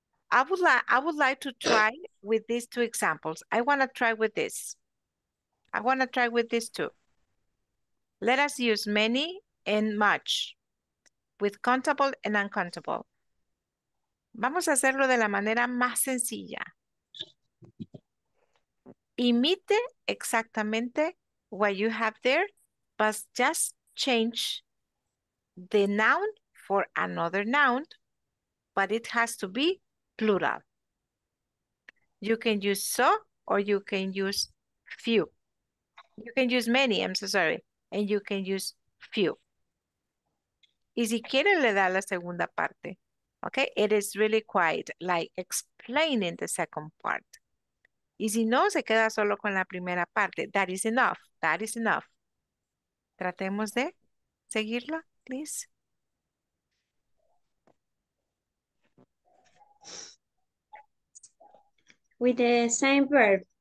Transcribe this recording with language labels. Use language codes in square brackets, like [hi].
[en] I would like to try with these two examples. I want to try with these two. Let us use many and much with countable and uncountable. [es] Vamos a hacerlo de la manera más sencilla. [en] Imite exactamente what you have there, but just change the noun for another noun, but it has to be plural. You can use so or you can use few. You can use many, I'm so sorry. And you can use few. [es] Y si quiere, le da la segunda parte. Okay? [en] It is really quite like explaining the second part. [es] Y si no, se queda solo con la primera parte. [en] That is enough. That is enough. [es] Tratemos de seguirlo, [en] please. With the same verb.